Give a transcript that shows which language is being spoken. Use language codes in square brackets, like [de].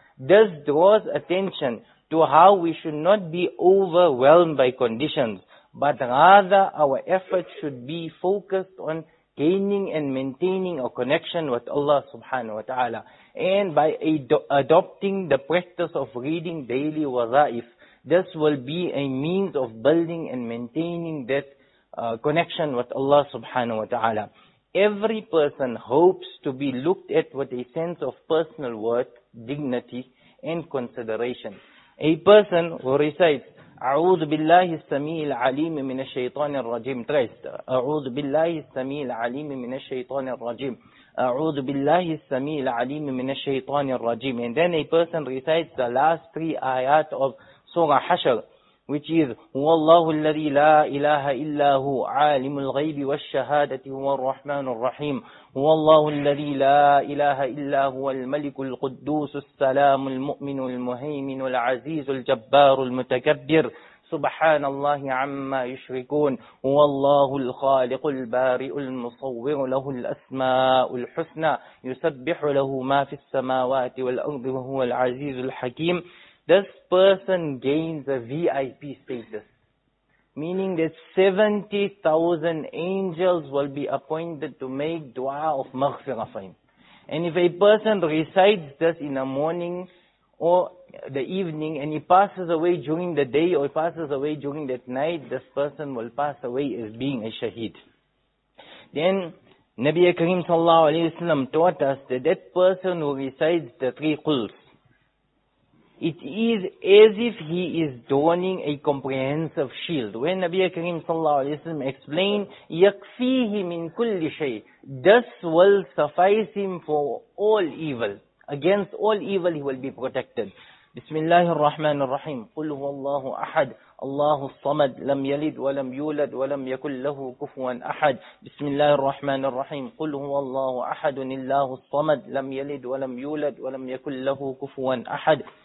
[en] This draws attention to how we should not be overwhelmed by conditions, but rather our effort should be focused on gaining and maintaining a connection with Allah subhanahu wa ta'ala, and by adopting the practice of reading daily wazaif. This will be a means of building and maintaining that connection with Allah subhanahu wa ta'ala. Every person hopes to be looked at with a sense of personal worth, dignity, and consideration. A person who recites, [ar] أعوذ بالله السميع العليم من الشيطان الرجيم أعوذ بالله السميع العليم من الشيطان الرجيم أعوذ بالله السميع العليم من الشيطان الرجيم. [en] And then a person recites the last 3 ayat of Surah Hashr, which is, [ar] هُوَ اللَّهُ الَّذِي لَا إِلَهَ إِلَّا هُوَ عَالِمُ الْغَيْبِ وَالشَّهَادَةِ هُوَ الرَّحْمَنُ الرَّحِيمُ هُوَ اللَّهُ الَّذِي لَا إِلَهَ إِلَّا هُوَ الْمَلِكُ الْقُدُّوسُ السَّلَامُ الْمُؤْمِنُ الْمُهَيْمِنُ الْعَزِيزُ الْجَبَّارُ الْمُتَكَبِّرُ سبحان الله عما يشركون هو الله الخالق البارئ المصور له الأسماء الحسنى يسبح له ما في السماوات والأرض وهو العزيز الحكيم. [en] This person gains a VIP status, meaning that 70,000 angels will be appointed to make dua of maghfirah for him. And if a person recites this in the morning or the evening, and he passes away during the day or he passes away during that night, this person will pass away as being a shaheed. Then Nabi Karim sallallahu alayhi wa sallam taught us that that person who recites the 3 quls, it is as if he is donning a comprehensive shield. When Nabi Karim sallallahu alayhi wa sallam explained, [ar] يَكْفِيهِ مِنْ كُلِّ شَيْءٍ, [en] this will suffice him for all evil. Against all evil he will be protected. [ar] Bismillahir Rahmanir Rahim. قُلْ هُوَ اللَّهُ أَحَدٌ الله الصمد لم يلد ولم يولد ولم يكن له كفوا أحد. بسم الله الرحمن الرحيم. قل هو الله أحد الله الصمد لم يلد ولم يولد ولم يكن له كفوا أحد.